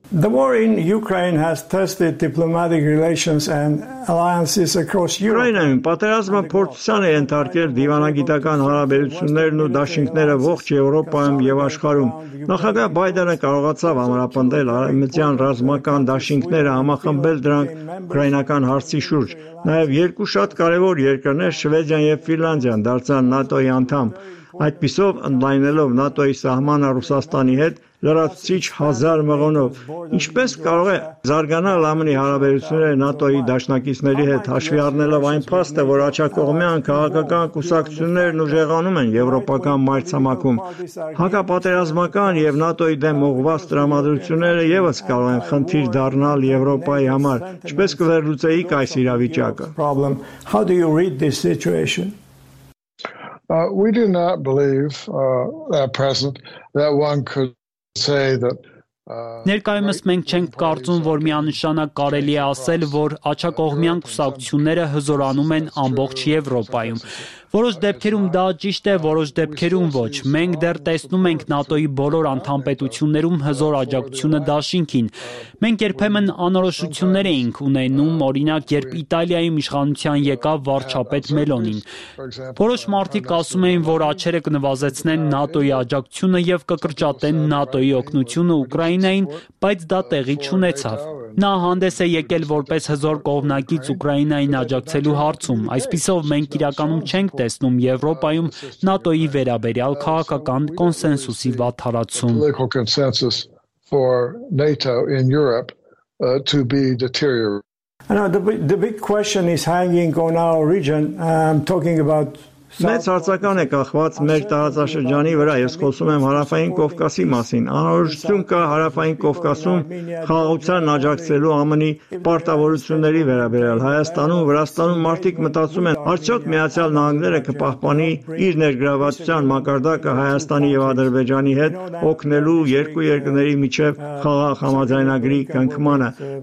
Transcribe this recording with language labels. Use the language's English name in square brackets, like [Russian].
[English] The war in Ukraine has tested diplomatic relations and alliances across Europe. [Armenian] Ուկրաինայում պատերազմը փորձության է ենթարկել դիվանագիտական հարաբերություններն ու դաշինքները ողջ Եվրոպայում եւ աշխարհում։ Նախագահ Բայդենը կարողացավ ամրապնդել արևմտյան ռազմական դաշինքները, համախմբել դրանք ուկրաինական հարցի շուրջ։ Նաեւ երկու շատ կարևոր երկրներ՝ Շվեդիան եւ Ֆինլանդիան, դարձան ՆԱՏՕ-ի անդամ, այդպիսով ընդլայնելով ՆԱՏՕ-ի սահմանը Ռուսաստանի հետ լրացուցիչ 1000 մղոնով։ Ինչպես կարող է զարգանալ ԱՄՆ-ի հարաբերությունները ՆԱՏՕ-ի դաշնակիցների հետ, հաշվի առնելով այն փաստը, որ աչակողմյան քաղաքական կուսակցություններն ուժեղանում են եվրոպական մայրցամաքում։ Հակապատերազմական եւ ՆԱՏՕ-ի դեմ ուղղված տրամադրությունները եւս կարող են խնդիր դառնալ Եվրոպայի համար։ Ինչպես կվերլուծեիք այս իրավիճակը։ [English] How do you read this situation? We do not believe at present that one could say that [Armenian] Ներկայումս մենք չենք կարծում, որ միանշանակ կարելի է ասել, որ աչակողմյան կուսակցությունները հզորանում են ամբողջ Եվրոպայում։ Որոշ դեպքերում դա ճիշտ է, որոշ դեպքերում ոչ։ Մենք դեռ տեսնում ենք ՆԱՏՕ-ի բոլոր անդամպետություններում հզոր աջակցությունը դաշինքին։ Մենք երբեմն անորոշություններ էինք ունենում, օրինակ, երբ Իտալիայի իշխանության եկավ վարչապետ Մելոնին։ Որոշ մարդիկ ասում էին, որ աչերը կնվազեցնեն ՆԱՏՕ-ի աջակցությունը եւ կկրճատեն ՆԱՏՕ-ի օգնությունը Ուկրաինային, բայց դա տեղի չունեցավ։ Նա հանդես է եկել որպես հզոր կողմնակից Ուկրաինային աջակցելու հարցում։ Այսպիսով մենք իրականում չենք տեսնում Եվրոպայում ՆԱՏՕ-ի վերաբերյալ քաղաքական կոնսենսուսի վատթարացում։ [English] Now the big question is hanging on our region. I'm talking about [Armenian] Մեծ հարցական է կախված մեր տարածաշրջանի վրա։ Ես խոսում եմ Հարավային Կովկասի մասին։ Անորոշություն կա Հարավային Կովկասում խաղաղության աջակցելու ԱՄՆ-ի պարտավորությունների վերաբերյալ։ Հայաստանում, Վրաստանում մարդիկ մտածում են, արդյոք Միացյալ Նահանգները կպահպանի իր ներգրավվածության մակարդակը Հայաստանի եւ Ադրբեջանի հետ օգնելու երկու երկրների միջև խաղաղ համաձայնագրի կնքմանը։